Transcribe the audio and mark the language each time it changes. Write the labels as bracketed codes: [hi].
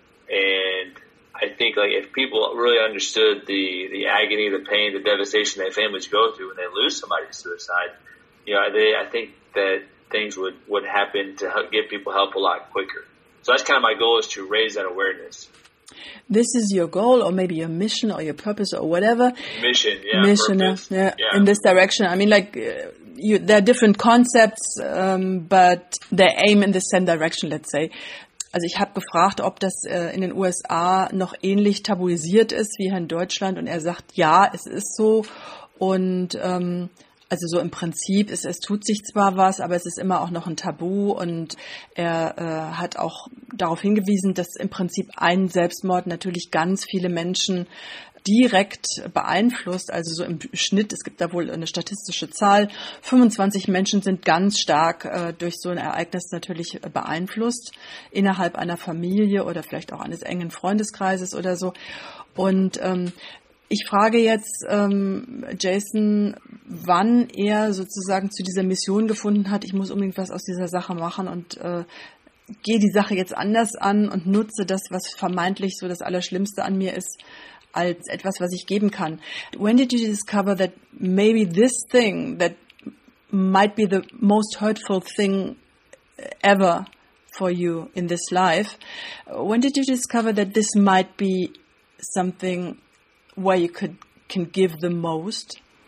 [en] And I think, like, if people really understood the agony, the pain, the devastation that families go through when they lose somebody to suicide, you know, I think that things would happen to help give people help a lot quicker. So that's kind of my goal, is to raise that awareness. This is your goal, or maybe your mission, or your purpose, or whatever. Mission, yeah. Mission, yeah. In this direction. I mean, like, there are different concepts, but they aim in the same direction, let's say. [de] Also, ich habe gefragt, ob das in den USA noch ähnlich tabuisiert ist wie hier in Deutschland. Und er sagt, ja, es ist so. Und also so im Prinzip, es tut sich zwar was, aber es ist immer auch noch ein Tabu. Und er hat auch darauf hingewiesen, dass im Prinzip ein Selbstmord natürlich ganz viele Menschen direkt beeinflusst. Also so im Schnitt, es gibt da wohl eine statistische Zahl, 25 Menschen sind ganz stark durch so ein Ereignis natürlich beeinflusst, innerhalb einer Familie oder vielleicht auch eines engen Freundeskreises oder so. Und ich frage jetzt Jason, wann er sozusagen zu dieser Mission gefunden hat, ich muss unbedingt was aus dieser Sache machen und gehe die Sache jetzt anders an und nutze das, was vermeintlich so das Allerschlimmste an mir ist, als etwas, was ich geben kann. [en] When did you discover that maybe this thing that might be the most hurtful thing ever for you in this life, when did you discover that this might be something where you can give the most?